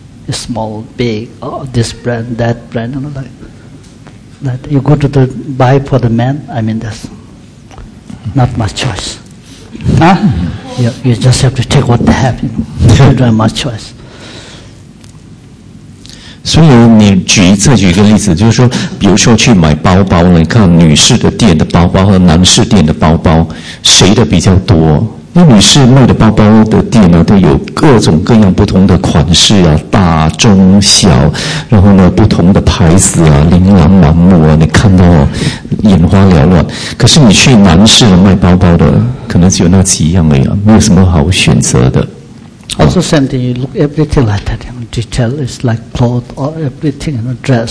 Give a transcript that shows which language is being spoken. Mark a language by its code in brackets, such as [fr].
[en] Small, big, oh, this brand, that brand, you know, like that. You go to the buy for the man, I mean, that's not much choice. Huh? You just have to take what they have, you know. You don't have much choice. [zh] 所以你再举一个例子，就是说，比如说去买包包了，你看女士的店的包包和男士店的包包，谁的比较多？那女士卖的包包的店呢，都有各种各样不同的款式啊，大中小，然后呢不同的牌子啊，琳琅满目啊，你看到眼花缭乱。可是你去男士的卖包包的，可能只有那几样而已，没有什么好选择的。 [en] Also, same thing. You look everything like that. You know, detail is like clothes or everything, you know, dress.